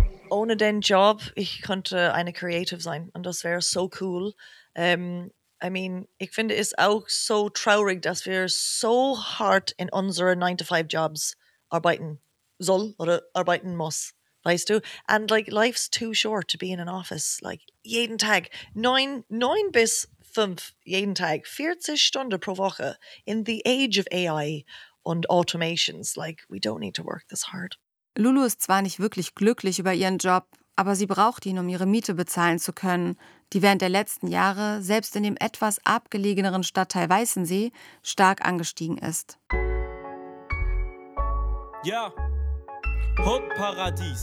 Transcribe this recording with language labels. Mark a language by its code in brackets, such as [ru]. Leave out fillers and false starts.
[de] Ohne den Job, ich könnte eine Creative sein und das wäre so cool. Ich finde es auch so traurig, dass wir so hart in unsere 9-to-5-Jobs arbeiten soll oder arbeiten muss, weißt du? [en] And life's too short to be in an office. [de] Jeden Tag, 9 bis 5 jeden Tag, 40 Stunden pro Woche [en] in the age of AI [de] und Automations. [en] Like, we don't need to work this hard. [de] Lulu ist zwar nicht wirklich glücklich über ihren Job, aber sie braucht ihn, um ihre Miete bezahlen zu können, die während der letzten Jahre selbst in dem etwas abgelegeneren Stadtteil Weißensee stark angestiegen ist. Ja. Hood-Paradies.